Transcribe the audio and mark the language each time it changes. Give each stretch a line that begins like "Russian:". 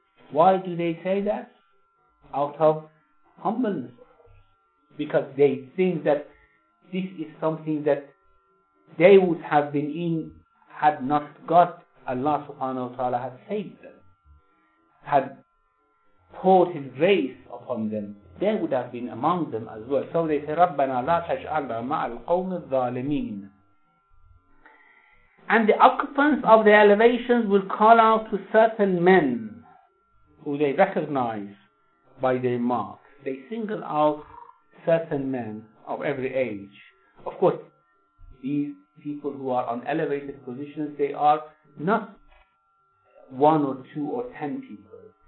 English: Why do they say that? Out of humbleness. Because they think that this is something that they would have been in had not got Allah subhanahu wa ta'ala had saved them, had poured His grace upon them, they would have been among them as well. So they say,
Arabic: رَبَّنَا لَا تَجْعَلْنَا مَعَ الْقَوْمِ الظَّالِمِينَ.
English: And the occupants of the elevations will call out to certain men who they recognize by their mark. They single out certain men of every age. Of course, these people who are on elevated positions, they are not one or two or ten people.